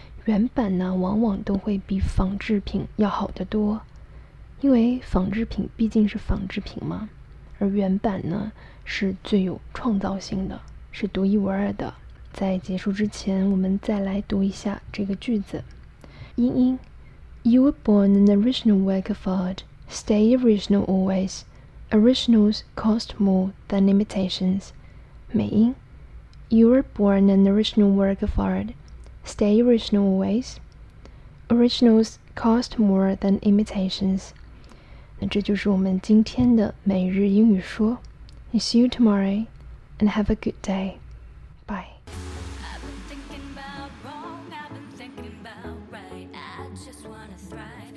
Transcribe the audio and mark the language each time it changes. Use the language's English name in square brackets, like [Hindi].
[Chinese] 原版呢往往都会比仿制品要好得多，因为仿制品毕竟是仿制品嘛，而原版呢是最有创造性的，是独一无二的。在结束之前我们再来读一下这个句子。 [English] 英 You were born an original work of art， Stay original alwaysOriginals cost more than imitations. 美音 You were born an original work of art. Stay original always. Originals cost more than imitations. [Chinese] 那这就是我们今天的每日英语说。 [English] I see you tomorrow and have a good day. Bye. I've been thinking about wrong, I've been thinking about right. I just wanna thrive.